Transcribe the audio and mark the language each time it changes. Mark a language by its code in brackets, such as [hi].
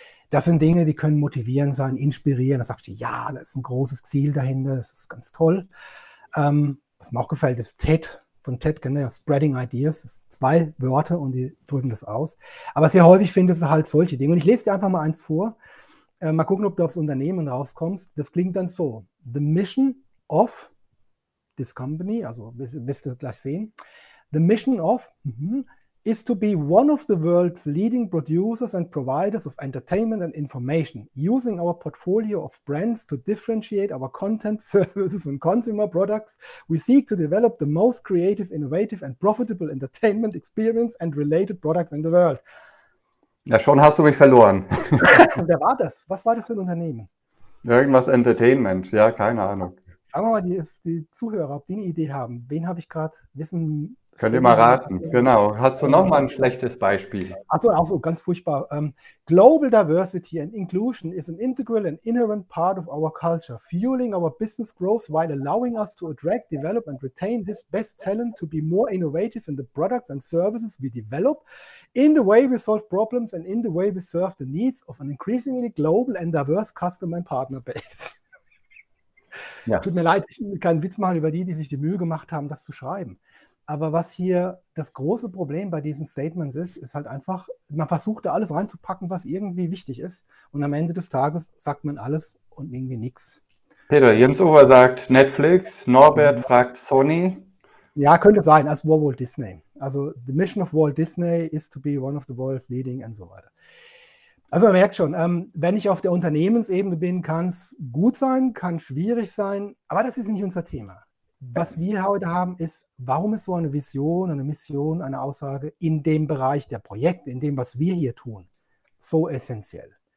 [de] Das sind Dinge, die können motivierend sein, inspirieren. Da sagst du, ja, das ist ein großes Ziel dahinter, das ist ganz toll. Was mir auch gefällt, ist TED. Von TED, genau, Spreading Ideas, das sind zwei Wörter und die drücken das aus. Aber sehr häufig findest du halt solche Dinge. Und ich lese dir einfach mal eins vor. Mal gucken, ob du aufs Unternehmen rauskommst. Das klingt dann so: [en] The mission of this company, [de] also wirst du gleich sehen, [en] the mission of is to be one of the world's leading producers and providers of entertainment and information, using our portfolio of brands to differentiate our content, services and consumer products. We seek to develop the most creative, innovative and profitable entertainment experience and related products in the world. [de] Ja, schon hast du mich verloren. War das? Was war das für ein Unternehmen? Irgendwas Entertainment, ja, keine Ahnung. Fragen wir mal die Zuhörer, ob die eine Idee haben. Wen habe ich gerade wissen, Könnt ihr mal Statement habe raten? Genau. Hast du noch mal ein schlechtes Beispiel? Also auch so ganz furchtbar. [en] Global Diversity and Inclusion is an integral and inherent part of our culture, fueling our business growth while allowing us to attract, develop and retain this best talent to be more innovative in the products and services we develop, in the way we solve problems and in the way we serve the needs of an increasingly global and diverse customer and partner base. [de] Tut Ja. mir leid, ich kann einen Witz machen über die, die sich die Mühe gemacht haben, das zu schreiben. Aber was hier das große Problem bei diesen Statements ist, ist halt einfach, man versucht da alles reinzupacken, was irgendwie wichtig ist. Und am Ende des Tages sagt man alles und irgendwie nichts. Peter, Jens Uwe sagt Netflix, Norbert fragt Sony. Ja, könnte sein, als Walt Disney. Also, [en] the mission of Walt Disney is to be one of the world's leading and so weiter. [de] Also, man merkt schon, wenn ich auf der Unternehmensebene bin, kann es gut sein, kann schwierig sein, aber das ist nicht unser Thema. Was wir heute haben, ist, warum ist so eine Vision, eine Mission, eine Aussage in dem Bereich der Projekte, in dem, was wir hier tun, so essentiell?